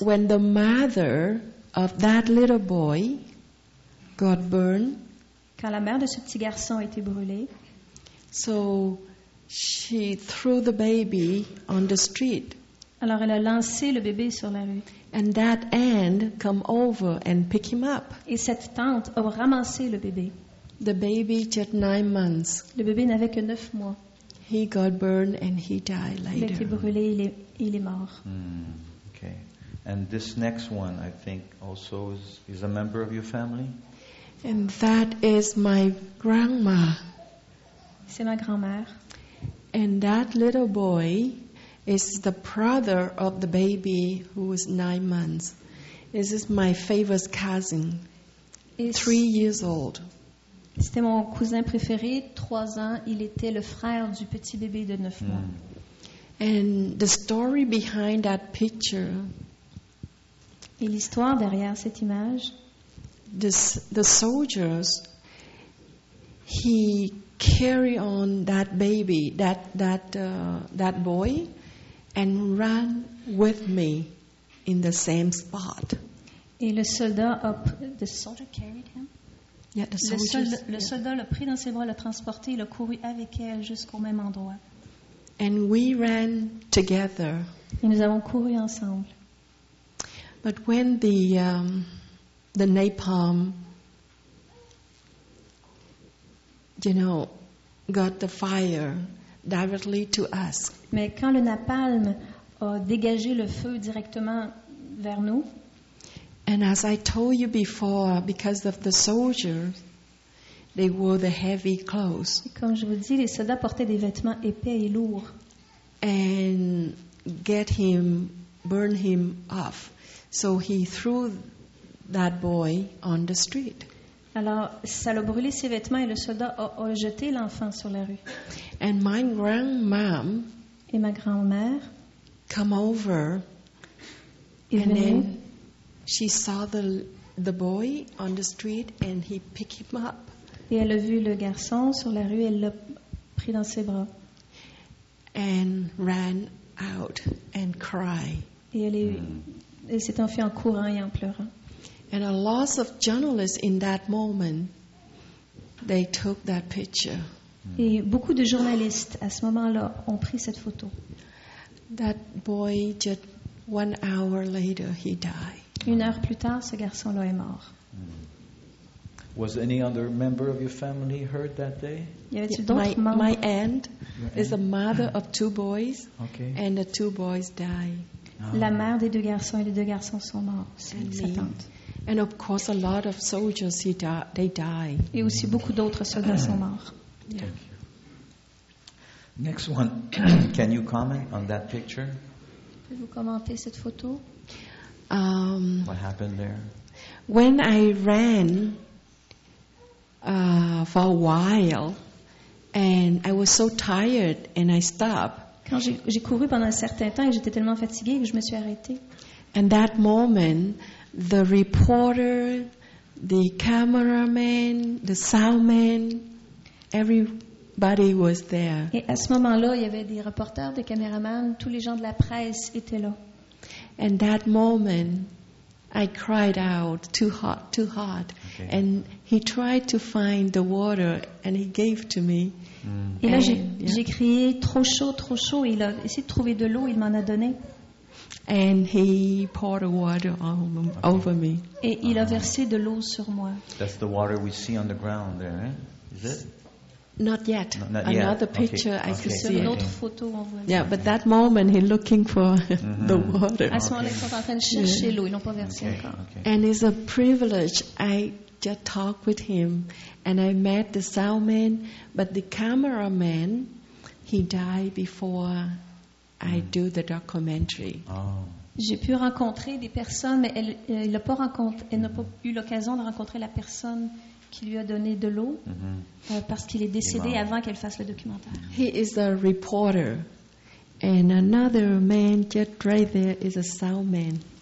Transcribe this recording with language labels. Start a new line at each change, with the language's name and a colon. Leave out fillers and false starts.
English: When the mother of that little boy got burned.
French: Quand la mère de ce petit garçon a été brûlée.
English: So she threw the baby on the street.
French: Alors elle a lancé le bébé sur la rue.
English: And that aunt come over and pick him up.
French: Et cette tante a ramassé le bébé.
English: The baby just 9 months.
French: Le bébé n'avait que 9 mois.
English: He got burned and he died later.
French: Il a été brûlé, il est mort.
English: Okay. And this next one, I think, also is a member of your family. And that is my grandma.
French: C'est ma grand-mère.
English: And that little boy is the brother of the baby who was 9 months. This is my favorite cousin. He's 3 years old.
French: C'était mon cousin préféré, 3 ans. Il était le frère du petit bébé de 9 mois.
English: And the story behind that picture.
French: Et l'histoire derrière cette image.
English: The soldiers, he carry on that baby, that boy, and run with me in the same spot.
French: Et le soldat
English: the soldier carried him. Yeah,
French: le soldat l'a pris dans ses bras, l'a transporté, il a couru avec elle jusqu'au même endroit.
English: And we ran together.
French: Et nous avons couru ensemble.
English: But when the napalm, you know, got the fire directly to us.
French: Mais quand le napalm a dégagé le feu directement vers nous.
English: And as I told you before, because of the soldiers, they wore the heavy clothes.
French: Comme je vous dis, les soldats portaient des vêtements épais et lourds.
English: And get him, burn him off. So he threw that boy on the street.
French: Alors, ça l'a brûlé ses vêtements et le soldat a jeté l'enfant sur la rue.
English: And my grandmom
French: et ma grand-mère
English: come over
French: et
English: and then she saw the boy on the street and he picked him up.
French: Et elle a vu le garçon sur la rue et elle l'a pris dans ses bras.
English: And ran out and cried.
French: Et elle s'est enfuie en courant et en pleurant.
English: And a lot of journalists in that moment, they took that picture.
French: Et beaucoup de journalistes à ce moment-là ont pris cette photo.
English: That boy, just 1 hour later, he died.
French: Une heure plus tard, ce garçon-là est mort.
English: Was any other member of your family hurt that day? My aunt is a mother of two boys, okay. And the two boys died.
French: La mère des deux garçons et les deux garçons sont morts. Sa tante.
English: And of course, a lot of soldiers they die.
French: Et aussi beaucoup d'autres soldats sont morts.
English: Yeah. Next one, can you comment on that picture?
French: Pouvez-vous commenter cette photo?
English: What happened there? When I ran for a while, and I was so tired, and I stopped.
French: Quand j'ai couru pendant un certain temps et j'étais tellement fatiguée que je me suis arrêtée.
English: And that moment, the reporter, the cameraman, the soundman, everybody was there.
French: Et à ce moment-là, il y avait des reporters, des caméramans, tous les gens de la presse étaient là.
English: And that moment, I cried out, too hot, okay. And he tried to find the water, and he gave to me. Mm.
French: Et là, j'ai crié, trop chaud, il a essayé de trouver de l'eau, il m'en a donné.
English: And he poured water over me.
French: Et il a versé de l'eau sur moi.
English: That's the water we see on the ground there, eh? Is it? Not yet. Not yet. Another picture, okay. I can see.
French: Une autre photo, on voit.
English: Yeah, but that moment he's looking for the water.
French: À ce moment-là, ils sont en train de chercher l'eau. Ils n'ont pas versé encore.
English: And it's a privilege. I just talked with him, and I met the soundman, but the cameraman, he died before I do the documentary. Oh.
French: J'ai pu rencontrer des personnes, mais elle n'a pas eu l'occasion de rencontrer la personne qui lui a donné de l'eau, parce qu'il est décédé avant qu'elle fasse le documentaire.
English: He is a reporter, and another man just right there is a soundman.